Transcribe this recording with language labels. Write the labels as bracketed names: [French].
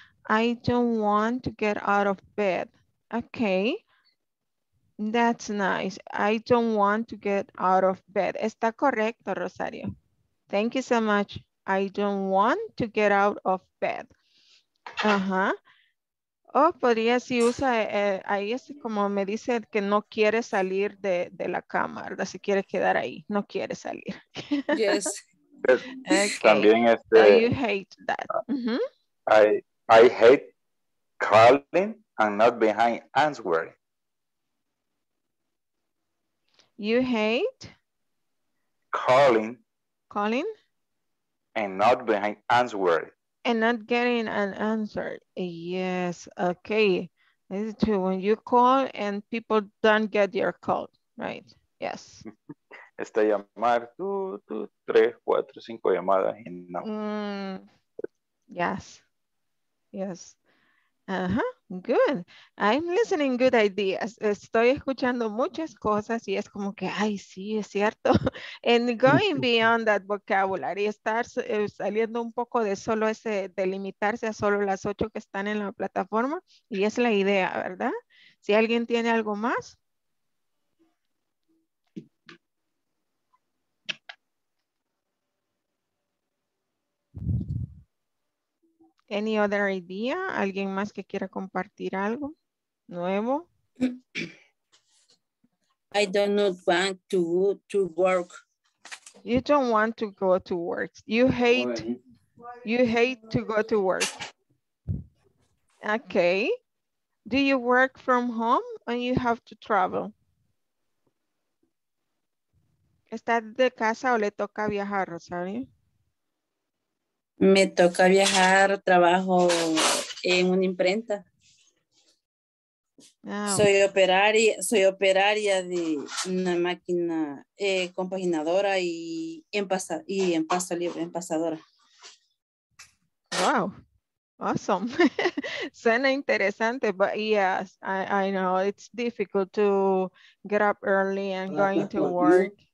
[English] I don't want to get out of bed. Okay. That's nice. I don't want to get out of bed. [Spanish] Está correcto, [English] Rosario. Thank you so much. I don't want to get out of bed. Uh-huh. [Spanish] Oh, podría si usa, ahí es como me dice que no quiere salir de la cama, ¿verdad? Si quiere quedar ahí, no quiere salir. [English] Yes. Okay. [Spanish] También este. [English] You hate that. I hate calling and not behind answering. You hate? Calling? And not behind answering. And not getting an answer. Yes, okay. This is true. When you call and people don't get your call, right? Yes. [Spanish] Esta llamar, tú, tres, cuatro, cinco llamadas y no. [English] Yes. Yes. Uh-huh. Good. I'm listening good ideas. [Spanish] Estoy escuchando muchas cosas y es como que, ay, sí, es cierto. [English] And going beyond that vocabulary, [Spanish] estar saliendo un poco de solo ese, de limitarse a solo las 8 que están en la plataforma. Y es la idea, ¿verdad? Si alguien tiene algo más. [English] Any other idea? [Spanish] ¿Alguien más que quiera compartir algo nuevo? [English] I do not want to go to work. You don't want to go to work. You hate to go to work. Okay. Do you work from home or you have to travel? [Spanish] ¿Está de casa o le toca viajar, Rosario? Me toca viajar, trabajo en una imprenta. Wow. Soy operaria de una máquina compaginadora y en paso libre, en pasadora. [English] Wow. Awesome. [Spanish] Suena interesante, [English] but yes, I know it's difficult to get up early and going to work.